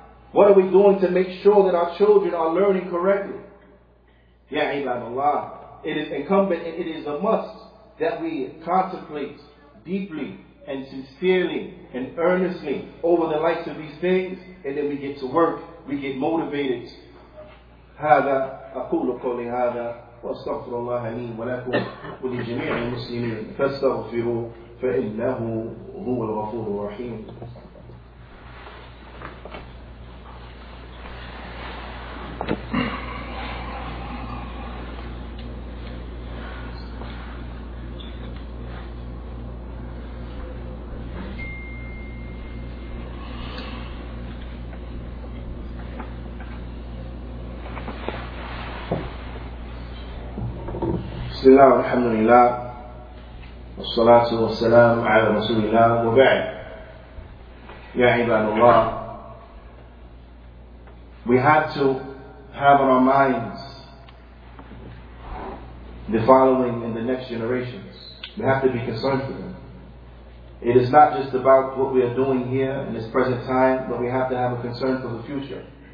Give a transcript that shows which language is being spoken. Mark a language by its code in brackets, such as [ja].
[en] What are we doing to make sure that our children are learning correctly? Ya ibadallah, it is incumbent and it is a must that we contemplate deeply and sincerely and earnestly over the likes of these things. And then we get to work, we get motivated. [ar] Hada, aqulu qawli hada. وأستغفر الله لي ولكم ولجميع المسلمين فاستغفروا فإنه هو الغفور الرحيم. بسم الله والحمد لله والصلاة والسلام على رسول الله وبعد يا عباد الله. [en] We had to have on our minds the following and the next generations. We have to be concerned for them. It is not just about what we are doing here in this present time, but we have to have a concern for the future.